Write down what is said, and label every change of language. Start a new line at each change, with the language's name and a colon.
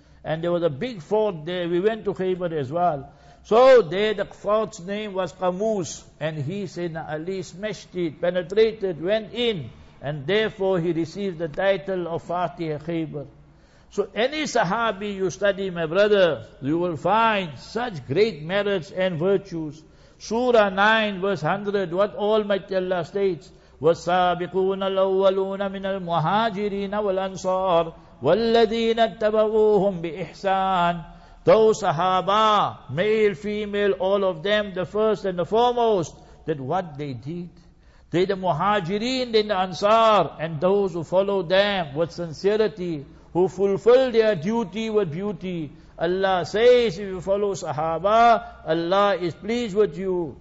English: And there was a big fort there, we went to Khaybar as well. So there the fort's name was Qamus, and he, Sayyidina Ali, smashed it, penetrated, went in, and therefore he received the title of Fatih Khaybar. So any sahabi you study, my brother, you will find such great merits and virtues. Surah 9 verse 100, what Almighty Allah states,
Arabic: وَالسَّابِقُونَ الْأَوَّلُونَ مِنَ الْمُهَاجِرِينَ وَالْأَنصَارِ وَالَّذِينَ اتَّبَغُوهُمْ بِإِحْسَانِ.
English: Those sahaba, male, female, all of them, the first and the foremost, that what they did. They the muhajirin, then the ansar, and those who followed them with sincerity, who fulfilled their duty with beauty. Allah says, if you follow sahaba, Allah is pleased with you.